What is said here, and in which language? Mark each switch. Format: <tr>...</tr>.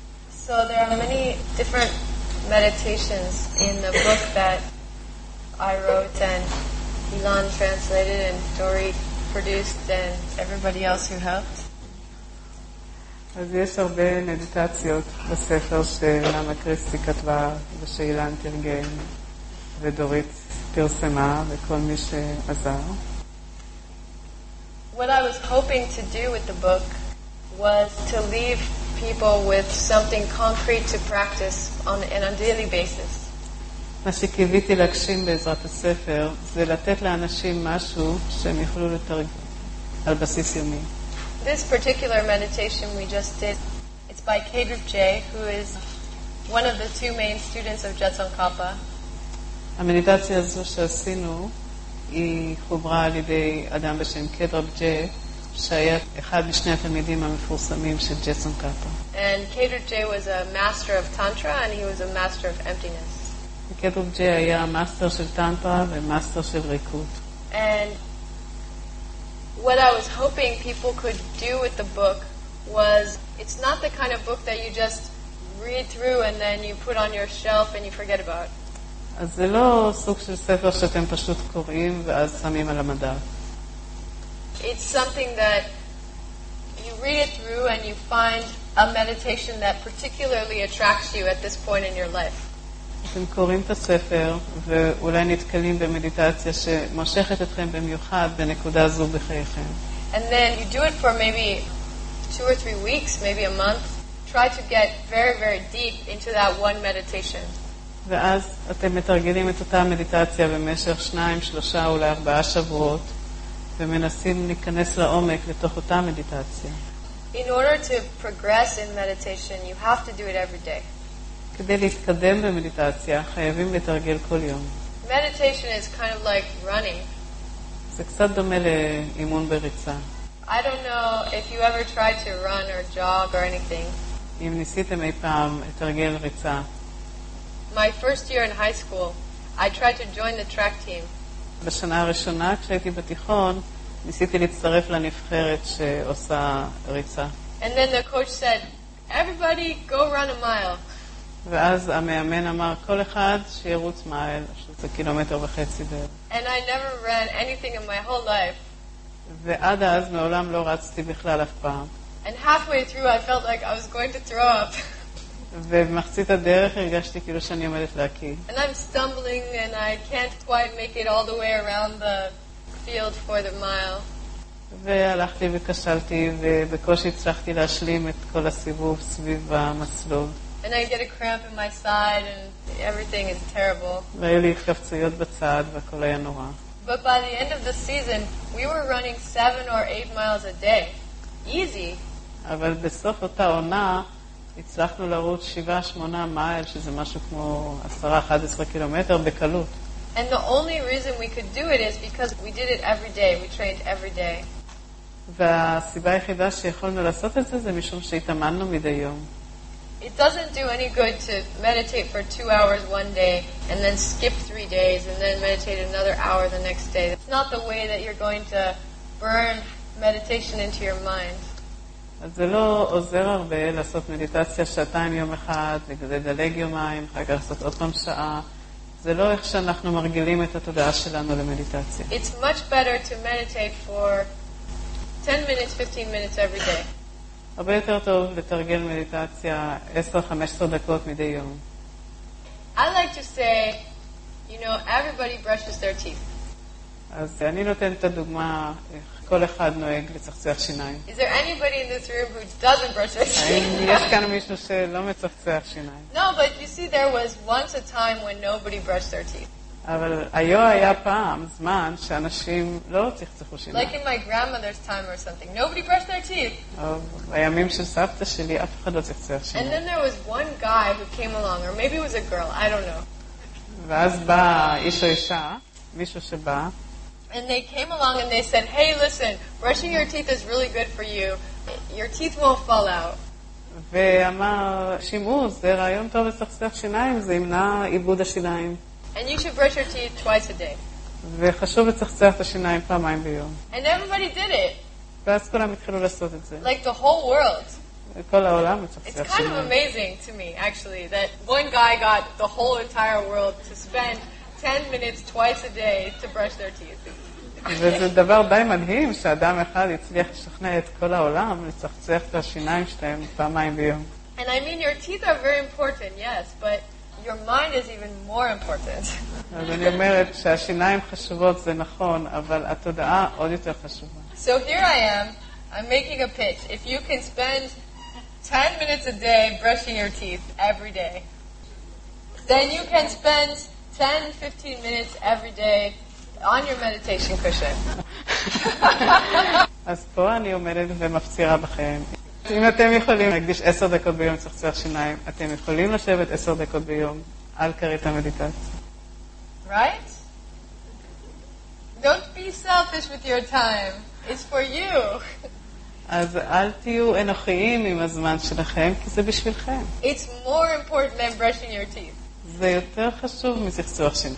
<en>So there are many different meditations in the book that I wrote and Ilan translated and Dori produced and everybody else who helped.</en> <he>אז יש הרבה מדיטציות בספר שלמה קריסטי כתבה ושאילן תרגם ודורית פרסמה וכל מי שעזר.</he> <en>What I was hoping to do with the book was to leave people with something concrete to practice on an daily basis.</en> <he>מה שקיוויתי להגשים בעזרת הספר זה לתת לאנשים משהו שהם יוכלו לתרגם על בסיס יומי.</he> <en>This particular meditation we just did, it's by Kedrup Jay, who is one of the two main students of Jetson Kapa.</en> <he>המדיטציה הזו שעשינו היא חוברה על ידי אדם בשם קדרופ ג'יי, שהיה אחד משני התלמידים המפורסמים של ג'טסון קאפה.</he> <en>And Kedrup Jay was a master of tantra and he was a master of emptiness.</en> <he>קדרופ ג'יי היה מאסטר של טנטרה ומאסטר של ריקות.</he> <en>And what I was hoping people could do with the book was it's not the kind of book that you just read through and then you put on your shelf and you forget about.</en> <he>אז זה לא סוג של ספר שאתם פשוט קוראים ואז שמים על המדף.</he> <en>It's something that you read it through and you find a meditation that particularly attracts you at this point in your life.</en> <he>אתם קוראים את הספר ואולי נתקלים במדיטציה שמושכת אתכם במיוחד בנקודה זו בחייכם.</he> <en>And then you do it for maybe 2 or 3 weeks, maybe a month. Try to get very, very deep into that one meditation.</en> <he>ואז אתם מתרגלים את אותה מדיטציה במשך 2, 3, אולי 4 שבועות ומנסים להיכנס לעומק לתוך אותה מדיטציה.</he> <en>In order to progress in meditation, you have to do it every day.</en> <he>כדי להתקדם במדיטציה, חייבים לתרגל כל יום.</he> <en>Meditation is kind of like running.</en> <he>זה קצת דומה לאימון בריצה.</he> <en>I don't know if you ever tried to run or jog or anything.</en> <he>אם ניסיתם אי פעם לתרגל ריצה.</he> <en>My first year in high school, I tried to join the track team.</en> <he>בשנה הראשונה, כשהייתי בתיכון, ניסיתי להצטרף לנבחרת שעושה ריצה.</he> <en>And then the coach said, "Everybody go run a mile."</en> <he>ואז המאמן אמר כל אחד שירוץ מייל, שזה קילומטר וחצי דרך.</he> <en>And I never ran anything in my whole life.</en> <he>ועד אז מעולם לא רצתי בכלל אף פעם.</he> <en>And halfway through I felt like I was going to throw up.</en> <he>ומחצית הדרך הרגשתי כאילו שאני עומדת להקיא.</he> <en>And I'm stumbling and I can't quite make it all the way around the field for the mile.</en> <he>והלכתי וקשלתי ובקושי הצלחתי להשלים את כל הסיבוב סביב המסלול.</he> <en>And I get a cramp in my side and everything is terrible.</en> <he>והיו לי התכווצויות בצד והכל היה נורא.</he> <en>But by the end of the season, we were running 7 or 8 miles a day. Easy.</en> <he>אבל בסוף אותה עונה, הצלחנו לרוץ 7-8 מייל, שזה משהו כמו 10-11 קילומטר בקלות.</he> <en>And the only reason we could do it is because we did it every day. We trained every day.</en> <he>והסיבה היחידה שיכולנו לעשות את זה, זה משום שהתאמנו מדי יום.</he> <en>It doesn't do any good to meditate for 2 hours one day and then skip 3 days and then meditate another hour the next day. It's not the way that you're going to burn meditation into your mind.</en> <he>אז זה לא עוזר הרבה לעשות מדיטציה שעתיים יום אחד, לדלג יומיים, אחר כך לעשות עוד פעם שעה. זה לא איך שאנחנו מרגילים את התודעה שלנו למדיטציה.</he> <en>It's much better to meditate for 10 minutes, 15 minutes every day.</en> <he>הרבה יותר טוב לתרגל מדיטציה 10-15 דקות מדי יום.</he> <en>I like to say, you know, everybody brushes their teeth.</en> <he>אז אני נותן את הדוגמה איך כל אחד נוהג לצחצח שיניים.</he> <en>Is there anybody in this room who doesn't brush their teeth?</en> <he>האם יש כאן מישהו שלא מצחצח שיניים?</he> <en>No, but you see, there was once a time when nobody brushed their teeth.</en> <he>אבל היו היה פעם זמן שאנשים לא צחצחו שיניים.</he> <en>Like in my grandmother's time or something. Nobody brushed their teeth.</en> <he>בימים של סבתא שלי אף אחד לא צחצח שיניים.</he> <en>And then there was one guy who came along, or maybe it was a girl, I don't know.</en> <he>ואז בא איש או אישה, מישהו שבא.</he> <en>And they came along and they said, "Hey, listen, brushing your teeth is really good for you. Your teeth won't fall out."</en> <he>ואמר, שימו, זה רעיון טוב לצחצח שיניים, זה ימנע איבוד השיניים.</he> <en>And you should brush your teeth twice a day.</en> <he>וחשוב לצחצח את השיניים פעמיים ביום.</he> <en>And everybody did it.</en> <he>ואז כולם התחילו לעשות את זה.</he> <en>Like the whole world.</en> <he>כל העולם מצחצח שיניים.</he> <en>It's kind of amazing to me, actually, that one guy got the whole entire world to spend 10 minutes twice a day to brush their teeth.</en> <he>וזה דבר די מדהים שאדם אחד יצליח לשכנע את כל העולם לצחצח את השיניים שלהם פעמיים ביום.</he> <en>And I mean, your teeth are very important, yes, but your mind is even more important.</en> <he>אז אני אומרת שהשיניים חשובות, זה נכון, אבל התודעה עוד יותר חשובה.</he> <en>So here I am, I'm making a pitch. If you can spend 10 minutes a day brushing your teeth every day, then you can spend 10-15 minutes every day on your meditation cushion.</en> <he>אז פה אני עומדת ומפצירה בכם. אם אתם יכולים להקדיש 10 דקות ביום לצחצח שיניים, אתם יכולים לשבת 10 דקות ביום על כרית המדיטציה.</he> <en>Right? Don't be selfish with your time. It's for you.</en> <he>אז אל תהיו אנוכיים עם הזמן שלכם, כי זה בשבילכם.</he> <en>It's more important than brushing your teeth.</en> <he>זה יותר חשוב מצחצוח שיניים.</he>